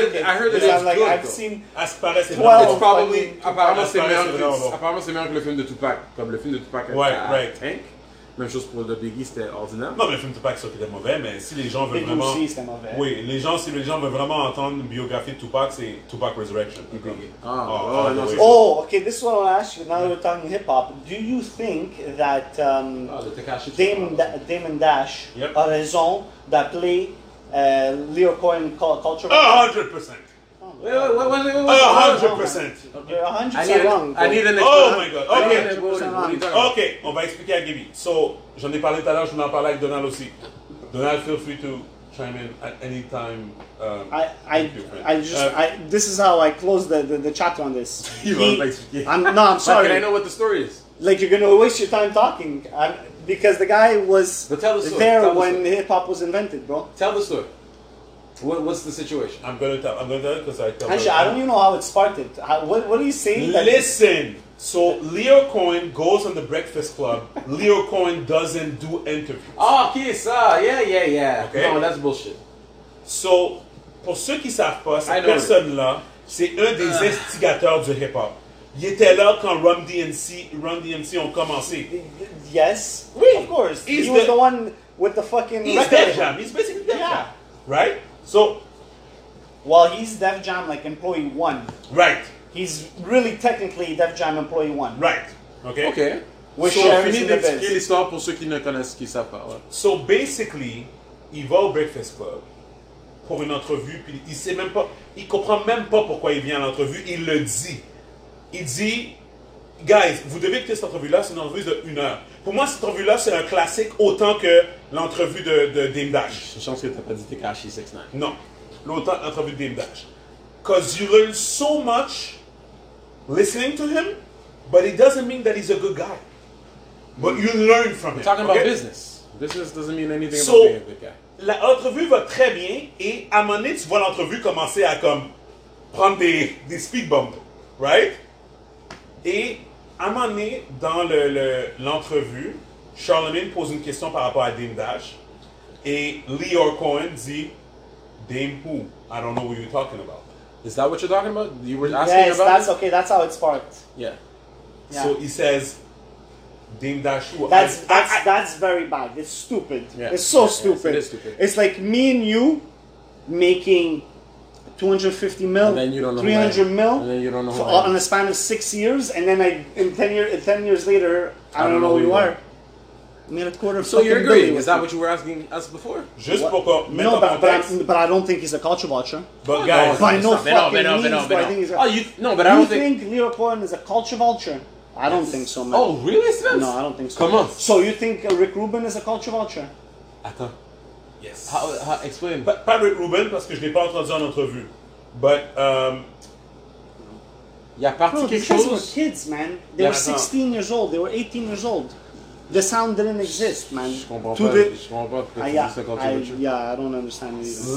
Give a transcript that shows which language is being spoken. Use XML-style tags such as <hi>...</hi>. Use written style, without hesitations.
<en>I've seen 12. It's probably,</en> <fr>apparemment, c'est meilleur que le film de Tupac. Comme le film de Tupac a fait Tank. Même chose pour le Biggie, c'était ordinaire. Non, mais le film Tupac, c'était mauvais, mais si les gens veulent Biggie vraiment... Biggie aussi, c'était mauvais. Oui, si les gens veulent vraiment entendre une biographie de Tupac, c'est Tupac Resurrection.</fr> <en>Okay, this one I'll ask you, now that we're talking hip-hop. Do you think that Damon Dash</en> <fr>a raison d'appeler</fr> <en>Leo Cohen culture? 100%. Wait, 100%. Okay. 100% wrong. I need an explanation. Oh my God. Okay.</en> <fr>On va expliquer à Gibby. So, j'en ai parlé tout à l'heure, je m'en parlais avec Donald aussi.</fr> <en>Donald, feel free to chime in at any time. This is how I close the chapter on this. You want to expliquer? No, I'm sorry. Can I know what the story is? Like, you're going to waste your time talking. Because the guy was there when hip hop was invented, bro. Tell the story. What's the situation? I'm going to tell because I tell you. Actually, her. I don't even know how it started. What are you saying? Listen. So, Leo Cohen goes on the Breakfast Club. Leo Cohen doesn't do interviews. Oh, okay, so. Yeah. Okay. No, that's bullshit.</en> <fr>So, pour ceux qui savent pas, cette personne-là, c'est un des instigateurs du hip-hop. Il était là quand Run DMC ont commencé.</fr> <en>Yes. Oui. Of course. He was the one with the fucking... He's Def Jam. He's basically Def Jam. Right? So, well, he's Def Jam, like, employee one. Right. He's really technically Def Jam employee one. Right. Okay. Which so, if you need to explain the story for those who don't know, who don't know. So, basically, he</en> <fr>va au Breakfast Club</fr> <en>for an interview,</en> <fr>puis il sait même pas, il comprend même pas pourquoi il vient à l'entrevue, il le dit. Il dit,</fr> <en>guys,</en> <fr>vous devez écouter cette entrevue-là, c'est une entrevue de une heure. Pour moi, cette entrevue-là, c'est un classique autant que l'entrevue de Dame Dash. Je pense que tu n'as pas dit Tekashi 6ix9ine. Non. L'autant que l'entrevue de Dame Dash.</fr> <en>Because you learn so much listening to him, but it doesn't mean that he's a good guy. But you learn from him. We're talking about business. Business doesn't mean anything about being a good guy.</en> <fr>L'entrevue va très bien et à un moment donné, tu vois l'entrevue commencer à comme prendre des speed bumps. Right? Et à un moment donné, dans l'entrevue, Charlemagne pose une question par rapport à Dame Dash. Et Leo Cohen dit,</fr> <en>Dame who? I don't know what you're talking about. Is that what you're talking about? You were asking yes, about that's it? Okay. That's how it sparked. Yeah. So he says, Dame Dash who? That's very bad. It's stupid. Yeah. It's so stupid. Yes, it is stupid. It's like me and you making $250 million, and then you don't know $300 million, and then you don't know in the span of 6 years, and then ten years later, I don't know who you are. I made a quarter of so you're agreeing? Billion. Is that what you were asking us before? Just spoke up. No, but I don't think he's a culture vulture. But guys, by no fucking means. I think he's a. Oh, you no, but I don't think Leo Cohen is a culture vulture. I don't think so, man. Oh, really, Spence? No, I don't think so. Come on. So you think Rick Rubin is a culture vulture?</en> <fr>Attends.</fr> <en>Yes. How, explain.</en> <fr>Pas Rick Rubin, parce que je ne l'ai pas entendu en entrevue.</fr> <en>But,</en> <fr>Il y a parti quelque chose.</fr> <en>These guys were kids, man. They were 16 years old. They were 18 years old. The sound didn't exist, man.</en> <fr>Je comprends pas. Je comprends pas.</fr> <en>I don't understand it either.</en>